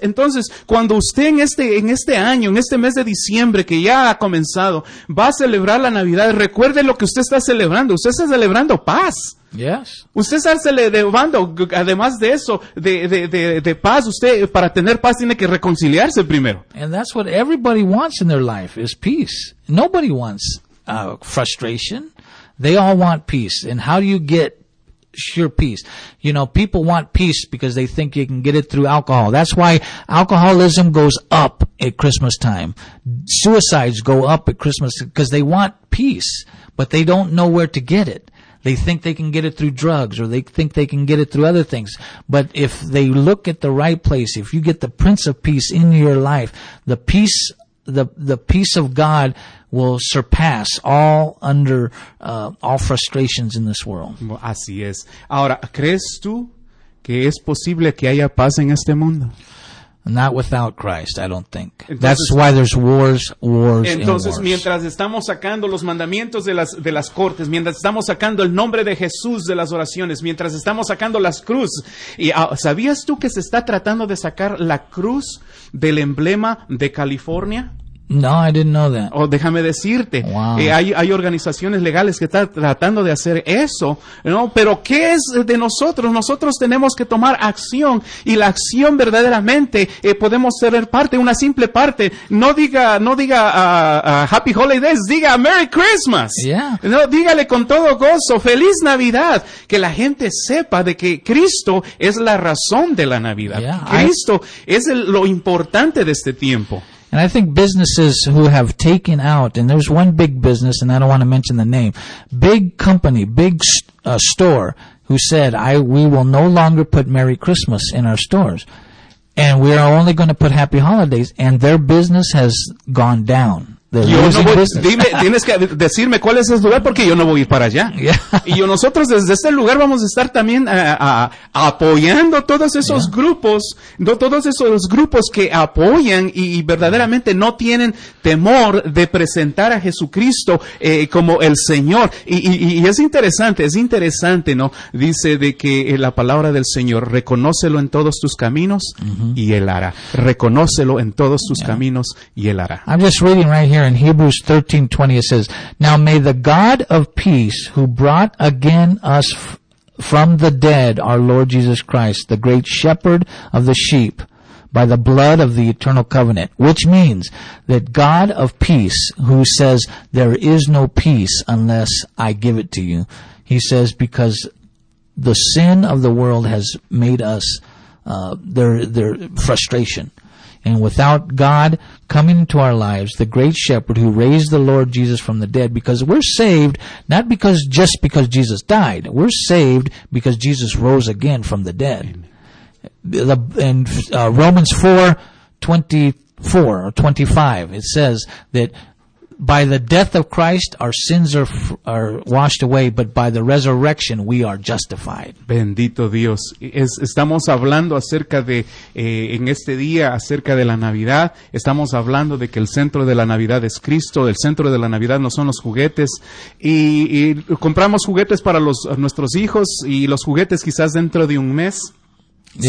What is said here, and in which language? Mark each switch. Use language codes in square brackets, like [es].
[es] Entonces, cuando usted en este año, en este mes de diciembre que ya ha comenzado, va a celebrar la Navidad, recuerde lo que usted está celebrando. Usted está celebrando paz. [en] Yes. [es] Usted está celebrando, además de eso, de paz, usted para tener paz tiene que reconciliarse primero. [en] And that's what everybody wants in their life, is peace. Nobody wants frustration. They all want peace. And how do you get sure peace? You know, people want peace because they think you can get it through alcohol. That's why alcoholism goes up at Christmas time. Suicides go up at Christmas because they want peace, but they don't know where to get it. They think they can get it through drugs, or they think they can get it through other things. But if they look at the right place, if you get the Prince of Peace in your life, the peace of God will surpass all under all frustrations in this world. [es] Así es. Ahora, ¿crees tú que es posible que haya paz en este mundo? [en] Not without Christ, I don't think. Entonces, that's why there's wars, wars. [es] Entonces, [en] and wars. [es] Mientras estamos sacando los mandamientos de las cortes, mientras estamos sacando el nombre de Jesús de las oraciones, mientras estamos sacando las cruces, ¿sabías tú que se está tratando de sacar la cruz del emblema de California? [en] No, I didn't know that. [es] Oh, déjame decirte. [en] Wow. [es] Hay organizaciones legales que están tratando de hacer eso, ¿no? Pero ¿qué es de nosotros? Nosotros tenemos que tomar acción, y la acción verdaderamente podemos ser parte, una simple parte. No diga Happy Holidays, diga Merry Christmas. [en] Yeah. [es] No, dígale con todo gozo, Feliz Navidad. Que la gente sepa de que Cristo es la razón de la Navidad. [en] Yeah, [es] Cristo es lo importante de este tiempo. [en] And I think businesses who have taken out, and there's one big business, and I don't want to mention the name, big company, big store, who said, we will no longer put Merry Christmas in our stores, and we are only going to put Happy Holidays, and their business has gone down. [es] Yo no voy, dime, tienes que decirme cuál es ese lugar, porque yo no voy a ir para allá. [en] Yeah. [es] Y yo, nosotros desde este lugar vamos a estar también apoyando todos esos yeah. grupos, no, todos esos grupos que apoyan y verdaderamente no tienen temor de presentar a Jesucristo como el Señor. Y es interesante, ¿no? Dice de que la palabra del Señor, reconócelo en todos tus caminos uh-huh. y Él hará. Reconócelo en todos tus yeah. caminos y Él hará. [en] I'm just reading right here. In Hebrews 13:20, it says, "Now may the God of peace, who brought again us from the dead, our Lord Jesus Christ, the great shepherd of the sheep, by the blood of the eternal covenant," which means that God of peace, who says, "There is no peace unless I give it to you," he says, because the sin of the world has made us their frustration. And without God coming into our lives, the great shepherd who raised the Lord Jesus from the dead, because we're saved not because just because Jesus died. We're saved because Jesus rose again from the dead. In Romans 4:24 or 25, it says that by the death of Christ, our sins are washed away, but by the resurrection, we are justified. [es] Bendito Dios. Estamos hablando acerca de, en este día, acerca de la Navidad. Estamos hablando de que el centro de la Navidad es Cristo. El centro de la Navidad no son los juguetes. Y compramos juguetes para nuestros hijos, y los juguetes quizás dentro de un mes se